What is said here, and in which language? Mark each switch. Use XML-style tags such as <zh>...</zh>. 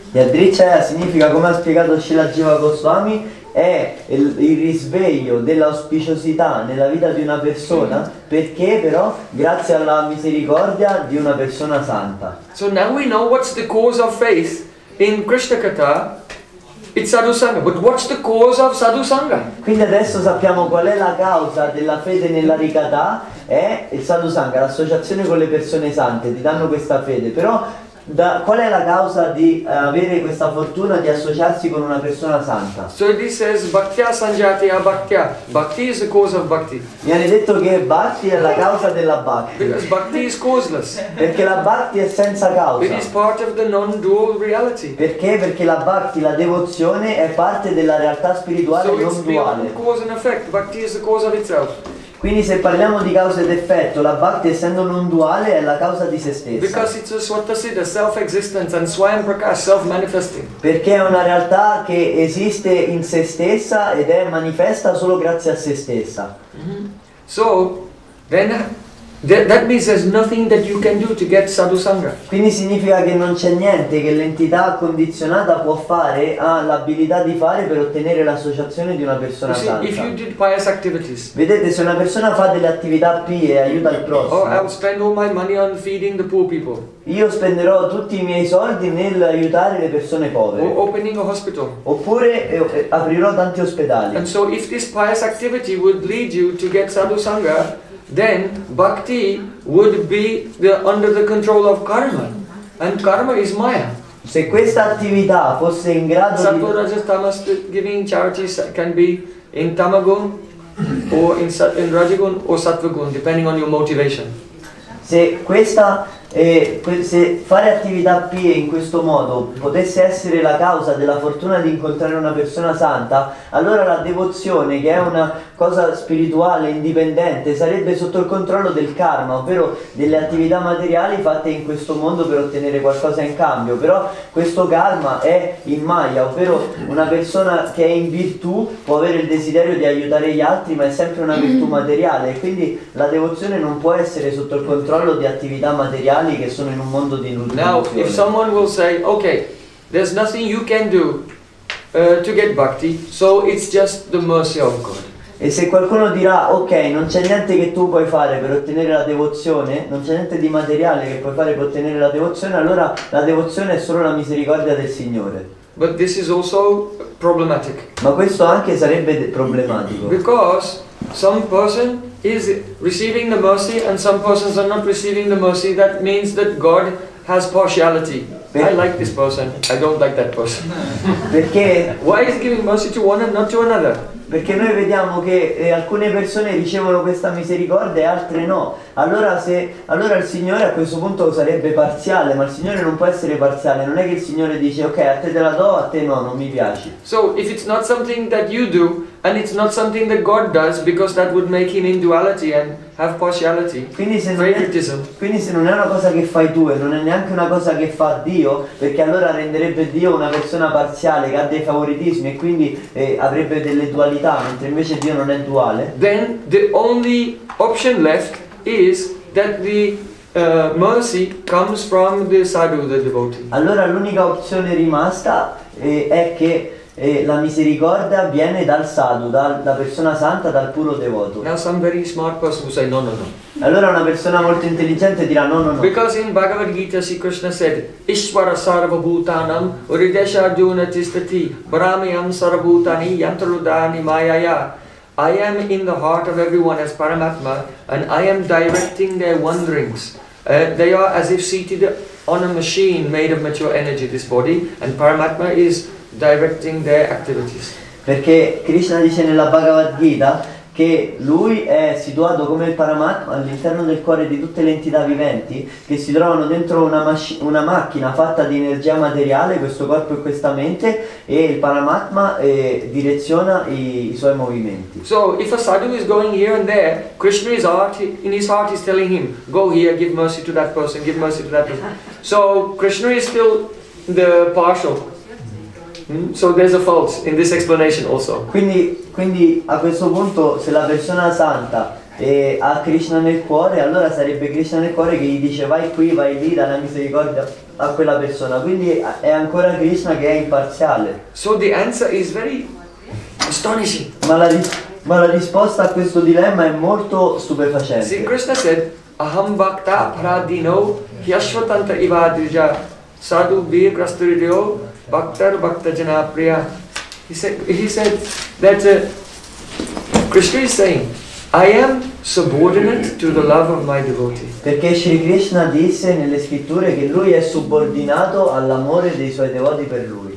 <it>Yadrichaya significa, come ha spiegato Srila Jiva Goswami, è il risveglio dell'auspiciosità nella vita di una persona, perché però grazie alla misericordia di una persona santa.</it> <en>So now we know what's the cause of faith in Krishna Katha, it's sadhu sangha. But what's the cause of sadhu sangha?</en> <it>Quindi adesso sappiamo qual è la causa della fede nella Harikatha, è il sadhu sangha, l'associazione con le persone sante, ti danno questa fede, però da, qual è la causa di avere questa fortuna di associarsi con una persona santa?</it> <en>So this says</en> <sa>bhaktya sanjatiya bhaktya.</sa> <en>Bhakti is the cause of bhakti.</en> <it>Viene detto che bhakti è la causa della bhakti.</it> <en>Because bhakti is causeless.</en> <it>Perché la bhakti è senza causa.</it> <en>It is part of the non-dual reality.</en> <it>Perché? Perché la bhakti, la devozione, è parte della realtà spirituale non duale.</it> <en>So it's cause and effect. Bhakti is the cause of itself.</en> <it>Quindi se parliamo di causa ed effetto, la bhakti essendo non duale è la causa di se stessa.</it> <en>Because it's a swata siddha, self-existence and swayam prakash, self-manifesting.</en> <it>Perché è una realtà che esiste in se stessa ed è manifesta solo grazie a se stessa. Mm-hmm.</it> <en>So then that means there's nothing that you can do to get sadhu sangha.</en> <it>Quindi significa che non c'è niente che l'entità condizionata può fare, ha l'abilità di fare per ottenere l'associazione di una persona santa.</it> <en>If you did pious activities.</en> <it>Vedete, se una persona fa delle attività pie e aiuta il prossimo.</it> <en>Oh, I'll spend all my money on feeding the poor people.</en> <it>Io spenderò tutti i miei soldi nell'aiutare le persone povere.</it> <en>Or opening a hospital.</en> <it>Oppure aprirò tanti ospedali.</it> <en>And so if this pious activity would lead you to get sadhu sangha, then bhakti would be under the control of karma, and karma is maya.</en> <it>Se questa attività fosse in grado</it> <en>Sattva-raja tamas giving charity can be in tamagun or in rajagun or sattvagun depending on your motivation.</en> <it>Se questa se fare attività pie in questo modo potesse essere la causa della fortuna di incontrare una persona santa, allora la devozione, che è una cosa spirituale indipendente, sarebbe sotto il controllo del karma, ovvero delle attività materiali fatte in questo mondo per ottenere qualcosa in cambio. Però questo karma è in maya, ovvero una persona che è in virtù può avere il desiderio di aiutare gli altri, ma è sempre una virtù materiale, e quindi la devozione non può essere sotto il controllo di attività materiali che sono in un mondo di illusione.</it> <en>Now, if someone will say, okay, there's nothing you can do to get bhakti, so it's just the mercy of God.</en> <it>E se qualcuno dirà, ok, non c'è niente che tu puoi fare per ottenere la devozione, non c'è niente di materiale che puoi fare per ottenere la devozione, allora la devozione è solo la misericordia del Signore.</it> <en>But this is also problematic.</en> <it>Ma questo anche sarebbe problematico.</it> <en>Because some person is receiving the mercy and some persons are not receiving the mercy, that means that God has partiality. I like this person, I don't like that person.</en> <it>Perché?</it> <en>Why is giving mercy to one and not to another?</en> <it>Perché noi vediamo che alcune persone ricevono questa misericordia e altre no. Allora il Signore a questo punto sarebbe parziale, ma il Signore non può essere parziale. Non è che il Signore dice, ok, a te te la do, a te no, non mi piace.</it> <en>So, if it's not something that you do, and it's not something that God does, because that would make him in duality and have partiality,</en> <it>quindi se non è una cosa che fai tu e non è neanche una cosa che fa Dio, perché allora renderebbe Dio una persona parziale che ha dei favoritismi e quindi avrebbe delle dualità, mentre invece Dio non è duale.</it> <en>Then the only option left is that the mercy comes from the sadhu, the devotee.</en> <it>Allora l'unica opzione rimasta è che la misericordia viene dal sadhu, da persona santa, dal puro devoto.</it> <en>Now some very smart person will say no, no, no.</en> <it>Allora una persona molto intelligente dirà no, no, no.</it> <en>Because in Bhagavad Gita, Sri Krishna said,</en> <sa>Ishvara sarva bhutanam uridesha arjuna tisthati brahmiyam sarva bhutani yantarudani mayaya.</sa> <en>I am in the heart of everyone as Paramatma, and I am directing their wanderings. They are as if seated on a machine made of mature energy, this body, and Paramatma is directing their activities.</en> <it>Perché Krishna dice nella Bhagavad Gita che lui è situato come il Paramatma all'interno del cuore di tutte le entità viventi che si trovano dentro una macchina fatta di energia materiale, questo corpo e questa mente, e il Paramatma direziona i suoi movimenti.</it> <en>So if a sadhu is going here and there, Krishna is heart, in his heart is telling him, go here, give mercy to that person, give mercy to that person. So Krishna is still the partial. So there's a fault in this explanation also.</en> <it>Quindi a questo punto, se la persona santa ha Krishna nel cuore, allora sarebbe Krishna nel cuore che gli dice vai qui, vai lì, dà la misericordia a quella persona. Quindi è ancora Krishna che è imparziale.</it> <en>So the answer is very astonishing.</en> <it>Ma la risposta a questo dilemma è molto stupefacente.</it> <sa>Sì,</sa> <en>Krishna said</en> <sa>aham bhakta pradino yashvatanta ivadrija sadhu bir grastrideo Bhaktar Bhakta Janapriya.</sa> <en>He said that Krishna is saying, I am subordinate to the love of my devotee.</en> <it>Perché Sri Krishna disse nelle scritture che lui è subordinato all'amore dei suoi devoti per lui.</it>